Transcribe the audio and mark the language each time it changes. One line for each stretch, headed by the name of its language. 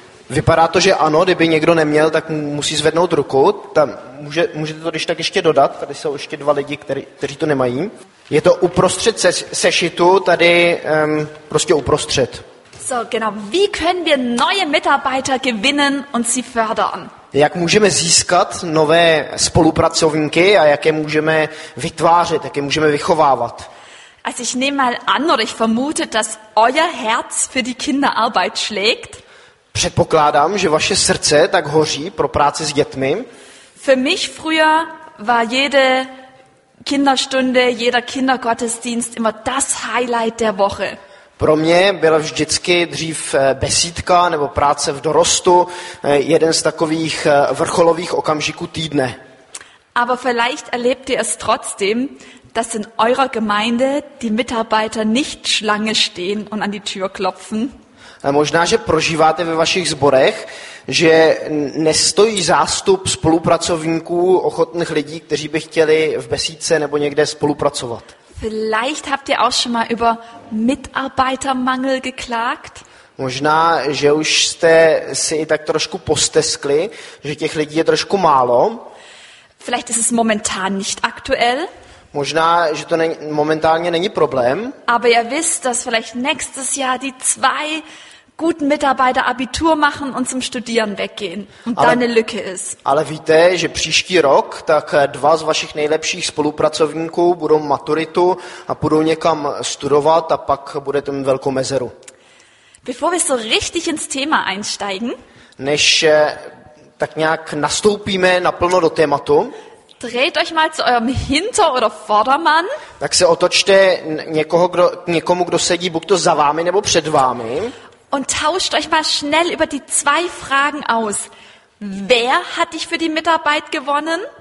Czech: Vypadá to, že ano, kdyby někdo neměl, tak musí zvednout ruku. Tam můžete to když tak ještě dodat, tady jsou ještě dva lidi, kteří to nemají. Je to uprostřed sešitu, tady prostě uprostřed.
German: So, genau. Wie können wir neue Mitarbeiter gewinnen und sie fördern?
Czech: Jak můžeme získat nové spolupracovníky a jak je můžeme vytvářet, jak je můžeme vychovávat?
German: Also ich nehme mal an oder ich vermute, dass euer Herz für die Kinderarbeit schlägt.
Czech: Předpokládám, že vaše srdce tak hoří pro práci s dětmi.
German: Für mich früher war jede Kinderstunde, jeder Kindergottesdienst immer das Highlight der Woche.
Czech: Pro mě byla vždycky dřív besídka nebo práce v dorostu jeden z takových vrcholových okamžiků týdne.
German: Aber vielleicht erlebt ihr es trotzdem, dass in eurer Gemeinde die Mitarbeiter nicht Schlange stehen und an die Tür klopfen.
Czech: Možná, že prožíváte ve vašich sborech, že nestojí zástup spolupracovníků, ochotných lidí, kteří by chtěli v besídce nebo někde spolupracovat.
German: Vielleicht habt ihr auch schon mal über Mitarbeitermangel geklagt?
Czech: Možná, že už jste si tak trošku posteskli, že těch lidí je trošku málo.
German: Vielleicht ist es momentan nicht aktuell.
Czech: Možná, že to momentálně není problém.
German: Aber ihr wisst, dass vielleicht nächstes Jahr die zwei guten Mitarbeiter Abitur machen und zum Studieren weggehen und da eine Lücke ist.
Czech: Ale víte, že příští rok tak dva z vašich nejlepších spolupracovníků budou maturitu a budou někam studovat a pak bude tam velkou mezeru.
German: Bevor wir so richtig ins Thema einsteigen,
Czech: než tak nějak nastoupíme naplno do tématu,
German: dreht euch mal zu eurem Hinter- oder Vordermann.
Czech: Tak se otočte někomu, kdo sedí buď to za vámi nebo před vámi.
German: Und tauscht euch mal schnell über die zwei Fragen aus. Wer hat dich für die Mitarbeit gewonnen?